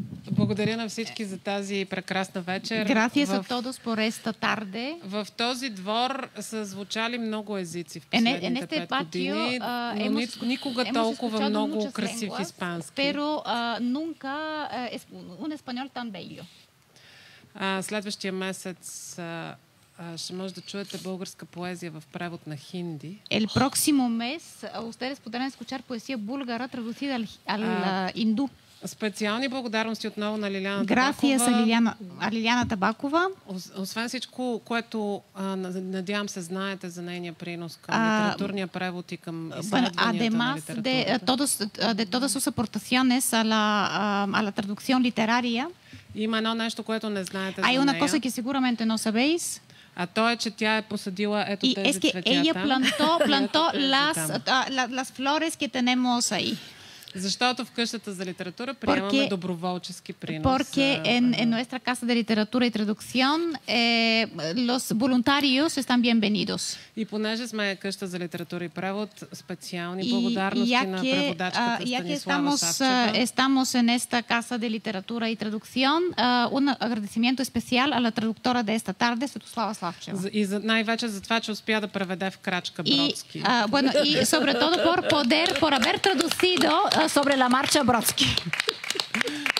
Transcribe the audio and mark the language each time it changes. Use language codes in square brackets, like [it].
[bg] Благодаря на всички за тази прекрасна вечер. [es] Gracias a todos por esta tarde. [bg] В този двор са звучали много езици в последните пет години, но никога толкова много красив испански. [es] Pero nunca es un español tan bello. [bg] Следващия месец ще може да чуете българска поезия в превод на хинди. [es] El próximo mes ustedes podrán escuchar poesía búlgara traducida al hindú. [bg] Специални благодарности отново на Лиляна [es] Gracias [bg] Табакова. [es] Gracias a Лиляна Табакова. [bg] Освен всичко, което надявам се знаете за нейния принос към литературния превод и към изследванията на литературата. [es] De todas sus aportaciones a la traducción literaria. [bg] Има едно нещо, което не знаете [es] Hay Hay una cosa que seguramente no sabéis. [bg] А то е, че тя е посадила ето тези цветята. [es] Es que ella plantó las flores que tenemos ahí. [bg] Защото в къщата за литература приемаме доброволчески принос. [es] Porque en nuestra casa de literatura y traducción los voluntarios están bienvenidos. [bg] И понеже сме къща за литература и превод, специални благодарности на преводачката Станислава Савчева. [es] Estamos en esta casa de literatura y traducción, un agradecimiento especial a la traductora de esta tarde, Светослава Савчева. [bg] И най-вече за това, че успя да преведе в крачка Бродски. [es] Bueno, y sobre todo por haber traducido sobre la marcha Brodsky.